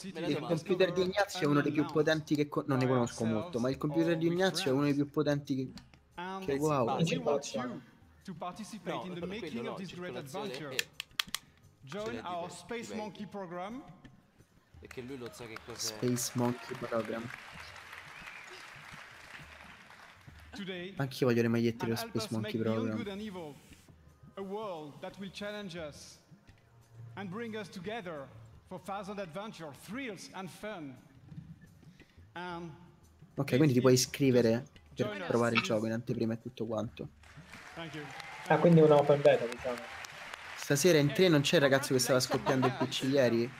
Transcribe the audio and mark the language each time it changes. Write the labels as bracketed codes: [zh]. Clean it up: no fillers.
[it] Il computer di Ignazio è uno dei più potenti che... non ne conosco molto, ma il computer di Ignazio è uno dei più potenti che... wow. [en] No, to participate in the making of this great adventure. Join our Space Monkey program. [it] Perché lui lo sa che cos'è. [en] Space Monkey Program. [it] Anch'io voglio le magliette dello Space Monkey Program. [en] A world that will challenge us and bring us together for thousand adventure, thrills and fun. [it] Ok, quindi ti puoi iscrivere per provare il gioco in anteprima e tutto quanto. [en] Thank you. [it] Ah, quindi un open beta, diciamo. Stasera in tre non c'è il ragazzo che stava scoppiando il PC ieri?